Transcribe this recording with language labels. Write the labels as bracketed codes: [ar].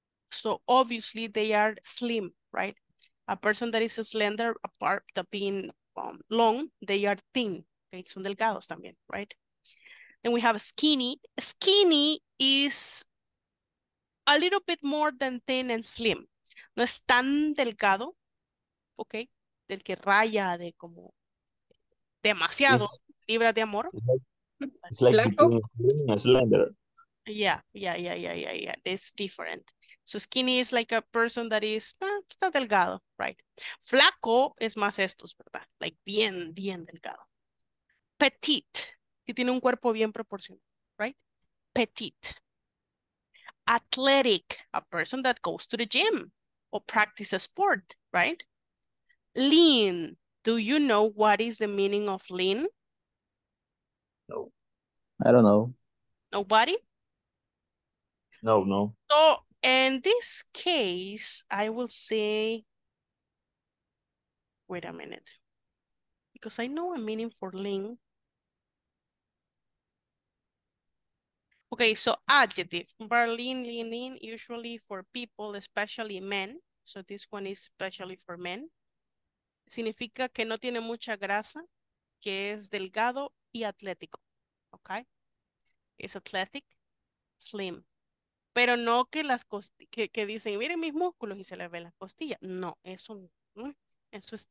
[en] So obviously they are slim, right? A person that is a slender, apart from being long, they are thin. Okay, [es] son delgados también, [en] right? Then we have skinny. Skinny is a little bit more than thin and slim. [es] No es tan delgado. Okay, del que raya de como demasiado, libra de amor. [en] It's like between a slender. Yeah, it's different. So skinny is like a person that is, [es] está delgado, [en] right? [es] Flaco es más estos, ¿verdad? Like bien, bien delgado. Petite, y tiene un cuerpo bien proporcionado, right? [en] Petite. Athletic, a person that goes to the gym, or practice a sport, right? Lean. Do you know what is the meaning of lean? No. I don't know. Nobody? No, no. So in this case, I will say, wait a minute, because I know a meaning for lean. Okay, so adjective, Berlin, lean, usually for people, especially men. So this one is especially for men. [es] Significa que no tiene mucha grasa, que es delgado y atlético. Okay? [en] It's athletic, slim. [es] Pero no que las costillas, que dicen, miren mis músculos y se les ve las costillas. No, eso, eso es.